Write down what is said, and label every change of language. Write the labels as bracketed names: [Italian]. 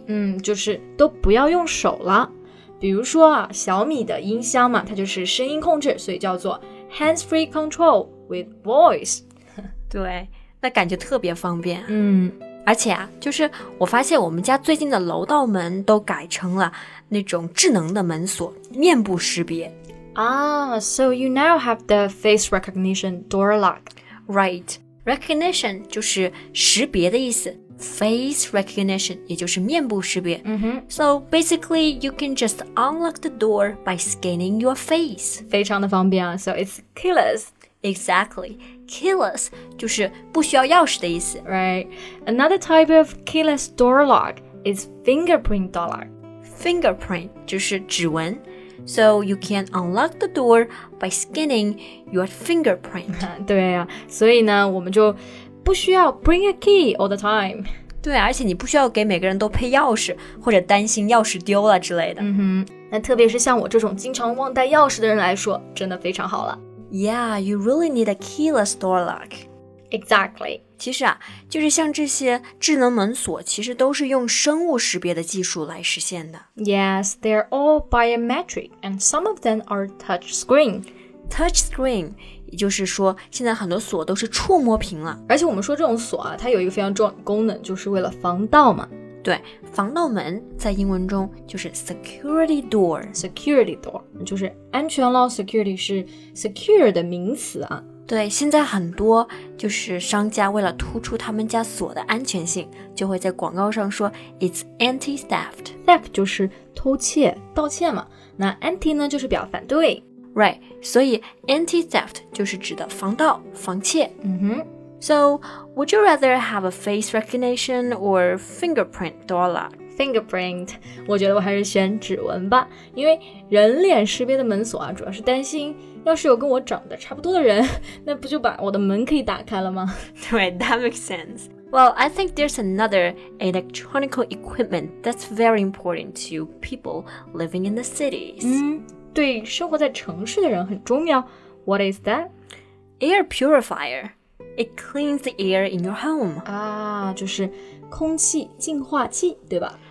[Chinese] 嗯，就是都不要用手了。比如说啊，小米的音箱嘛，它就是声音控制，所以叫做 [English] hands free control with voice。 [Chinese] 对，那感觉特别方便。嗯，而且啊，就是我发现我们家最近的楼道门都改成了那种智能的门锁，面部识别。 [English] Ah, so you now have the face recognition door lock. Right. [Chinese] Recognition 就是识别的意思。 Face recognition 也就是面部识别。 Mm-hmm. [English] So basically, you can just unlock the door by scanning your face. [Chinese] 非常的方便啊。 [English] So it's keyless. Exactly. [Chinese] Keyless 就是不需要钥匙的意思。 [English] Right. Another type of keyless door lock is fingerprint door lock. [Chinese] Fingerprint 就是指纹。 [English] So you can unlock the door by scanning your fingerprint. [Chinese] 对啊，所以呢，我们就不需要 [English] bring a key all the time. [Chinese] 对，而且你不需要给每个人都配钥匙，或者担心钥匙丢了之类的。嗯哼，那特别是像我这种经常忘带钥匙的人来说，真的非常好了。 [English] Yeah, you really need a keyless door lock. Exactly. [Chinese] 其实啊，就是像这些智能门锁，其实都是用生物识别的技术来实现的。 [English] Yes, they're all biometric, and some of them are touch screen. [Chinese] Touch screen, 也就是说，现在很多锁都是触摸屏了。而且我们说这种锁啊，它有一个非常重要的功能，就是为了防盗嘛。对，防盗门在英文中就是 [English] security door. [Chinese] Security door, 就是安全咯。Security 是 secure 的名词啊。对，现在很多就是商家为了突出他们家锁的安全性，就会在广告上说 [English] It's anti-theft. [Chinese] Theft 就是偷窃、盗窃嘛。那 anti 呢，就是表反对。 [English] Right, [Chinese] 所以 anti-theft 就是指的防盗、防窃。 Mm-hmm. [English] So, would you rather have a face recognition or fingerprint door lock? [Chinese] Fingerprint, 我觉得我还是选指纹吧，因为人脸识别的门锁啊，主要是担心要是有跟我长得差不多的人，那不就把我的门可以打开了吗？ [English] Right, that makes sense. Well, I think there's another electronic equipment that's very important to people living in the cities. [Chinese] 对生活在城市的人很重要。 [English] What is that? Air purifier. It cleans the air in your home. [Chinese] 啊，就是空气净化器，对吧？